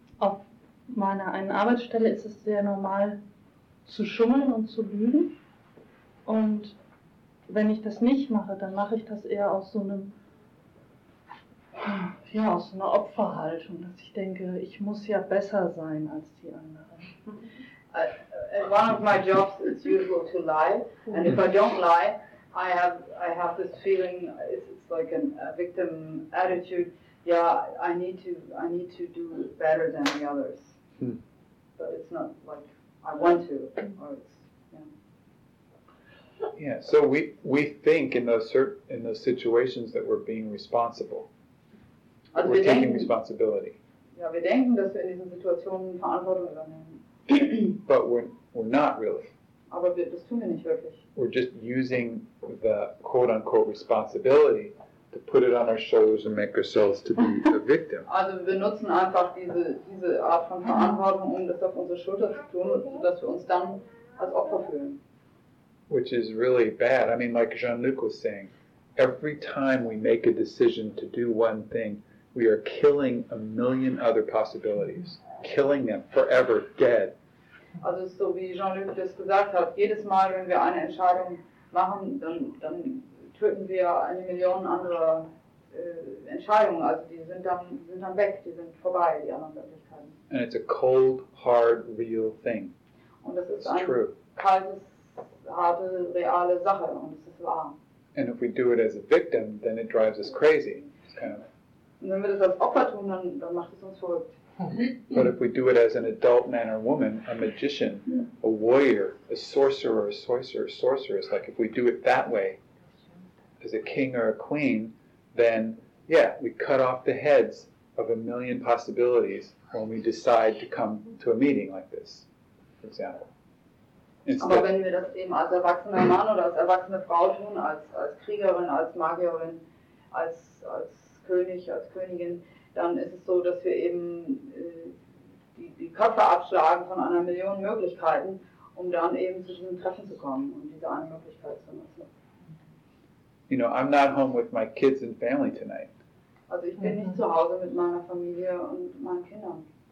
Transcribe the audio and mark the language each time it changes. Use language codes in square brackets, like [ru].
[de] Auf meiner einen Arbeitsstelle ist es sehr normal zu schummeln und zu lügen, und wenn ich das nicht mache, dann mache ich das eher aus so einem, ja, aus so einer Opferhaltung, dass ich denke, ich muss ja besser sein als die anderen. [en] One of my jobs is usual to lie, and if I don't lie, I have this feeling, it's like a victim attitude. Yeah, I need to do better than the others, but it's not like I want to, or it's, yeah, so we think in those situations that we're being responsible. [de] Also [en] we're taking [de] denken, [en] responsibility. [de] Ja, wir denken, dass wir in diesen Situationen Verantwortung übernehmen. [en] But we're not really. [de] Aber das tun wir nicht wirklich. [en] We're just using the quote-unquote responsibility to put it on our shoulders and make ourselves to be a victim. [de] Also wir nutzen einfach diese Art von Verantwortung, um das auf unsere Schulter zu tun, sodass wir uns dann als Opfer fühlen. [en] Which is really bad. I mean, like Jean-Luc was saying, every time we make a decision to do one thing, we are killing a million other possibilities, killing them forever, dead. [de] Also, so wie Jean-Luc das gesagt hat, jedes Mal, wenn wir eine Entscheidung machen, dann töten wir eine Million andere Entscheidungen. Also, die sind dann weg, die sind vorbei, die anderen Möglichkeiten. [en] And it's a cold, hard, real thing. [de] Und das ist ein kaltes, harte, reale Sache, und es ist wahr. [en] And if we do it as a victim, then it drives us crazy. It's kind of. [de] Und wenn wir das als Opfer tun, dann macht es uns verrückt. [en] But if we do it as an adult man or woman, a magician, a warrior, a sorcerer, a sorcerer, a sorceress, like if we do it that way, as a king or a queen, then, yeah, we cut off the heads of a million possibilities when we decide to come to a meeting like this, for example. [de] Aber wenn wir das eben als erwachsener Mann oder als erwachsene Frau tun, als Kriegerin, als Magierin, als König, als Königin, dann ist es so, dass wir eben die Köpfe abschlagen von einer Million Möglichkeiten, um dann eben zu diesem Treffen zu kommen und diese eine Möglichkeit zu nutzen. [en] You know, I'm not home with my kids and family tonight. [de] Also ich bin nicht zu Hause mit meiner Familie und meinen Kindern.